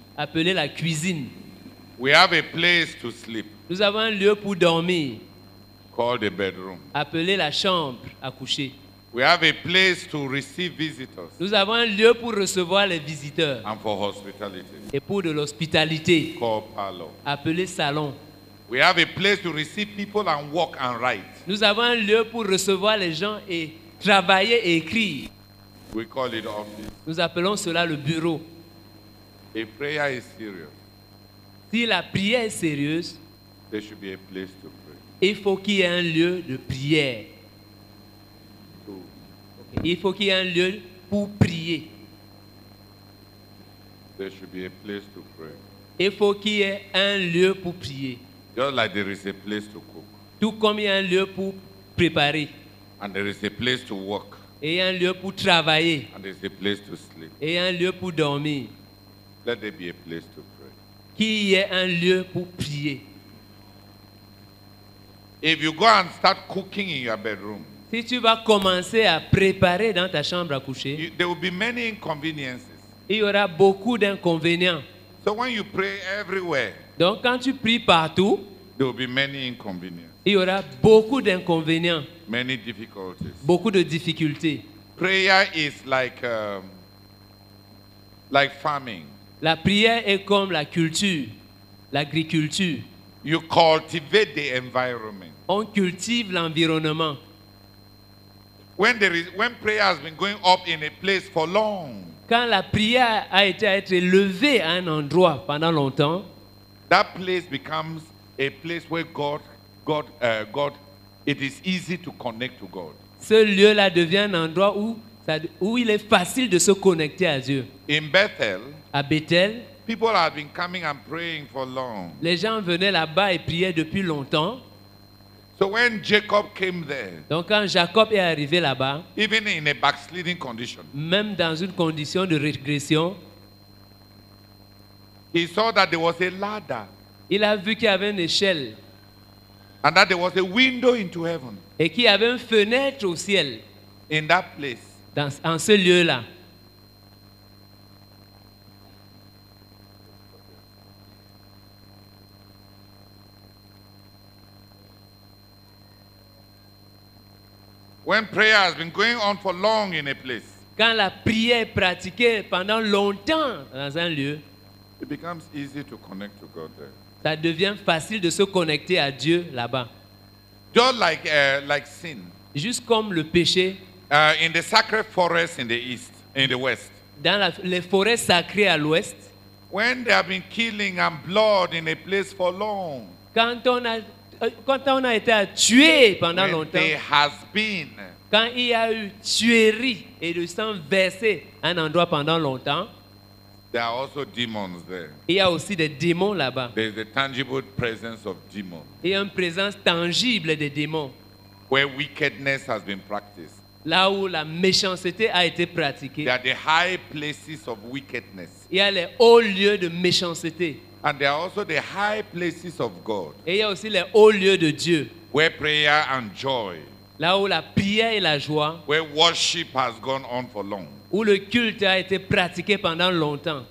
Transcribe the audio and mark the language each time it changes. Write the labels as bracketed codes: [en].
[fr] Appelé la cuisine. [en] We have a place to sleep. [fr] Nous avons un lieu pour dormir. [en] Called a bedroom. [fr] Appelé la chambre à coucher. [en] We have a place to receive visitors. [fr] Nous avons un lieu pour recevoir les visiteurs. [en] And for hospitality. [fr] Et pour de l'hospitalité. [en] Called parlor. [fr] Appelé salon. [en] We have a place to receive people and walk and write. [fr] Nous avons un lieu pour recevoir les gens et travailler et écrire. [en] We call it office. [fr] Nous appelons cela le bureau. [en] If prayer is serious, [fr] si la prière est sérieuse, [en] there should be a place to pray. [fr] Il faut qu'il y ait un lieu de prière. Il faut qu'il y ait un lieu pour prier. [en] There should be a place to pray. [fr] Il faut qu'il y ait un lieu pour prier. [en] Just like there is a place to cook. [fr] Tout comme il y a un lieu pour préparer. [en] And there is a place to work. [fr] Et il y a un lieu pour travailler. [en] And there is a place to sleep. [fr] Et il y a un lieu pour dormir. [en] Let there be a place to pray. [fr] Qu'il y ait un lieu pour prier. [en] If you go and start cooking in your bedroom, [fr] si tu vas commencer à préparer dans ta chambre à coucher, [en] there will be many inconveniences. [fr] Il y aura beaucoup d'inconvénients. [en] So when you pray everywhere, [fr] donc quand tu pries partout, [en] there will be many inconveniences. [fr] Il y aura beaucoup d'inconvénients. [en] Many difficulties. [fr] Beaucoup de difficultés. [en] Prayer is like farming. [fr] La prière est comme la culture, l'agriculture. [en] You cultivate the environment. [fr] On cultive l'environnement. [en] When prayer has been going up in a place for long. [fr] Quand la prière a été levée à un endroit pendant longtemps. [en] That place becomes a place where God, it is easy to connect to God. [fr] Ce lieu-là devient un endroit où il est facile de se connecter à Dieu. [en] In Bethel. [fr] À Bethel. [en] People have been coming and praying for long. [fr] Les gens venaient là-bas et priaient depuis longtemps. [en] So when Jacob came there, [fr] donc quand Jacob est arrivé là-bas, [en] even in a backsliding condition, [fr] même dans une condition de régression, [en] he saw that there was a ladder. [fr] Il a vu qu'il y avait une échelle. [en] And that there was a window into heaven. [fr] Et qu'il y avait une fenêtre au ciel. [en] In that place, [fr] en ce lieu-là. [en] When prayer has been going on for long in a place, [fr] quand la prière est pratiquée pendant longtemps dans un lieu, [en] it becomes easy to connect to God there. [fr] Ça devient facile de se connecter à Dieu là-bas. [en] Just like sin, [fr] juste comme le péché, [en] in the sacred forest in the east, in the west, [fr] dans les forêts sacrées à l'ouest, [en] when there have been killing and blood in a place for long, [fr] quand on a été tué pendant longtemps, [en] there has been, [fr] quand il y a eu tuerie et le sang versé à un endroit pendant longtemps, [en] there are also demons there. [fr] Il y a aussi des démons là-bas. [en] There is a tangible presence of demons. [fr] Il y a une présence tangible des démons. [en] Where wickedness has been practiced. [fr] Là où la méchanceté a été pratiquée. [en] There are the high places of wickedness. [fr] Il y a les hauts lieux de méchanceté. [en] And there are also the high places of God. [fr] Et il y a aussi les hauts lieux de Dieu. [en] Where prayer and joy. [fr] Là où la prière et la joie. [en] Where worship has gone on for long. [fr] Où le culte a été pratiqué pendant longtemps.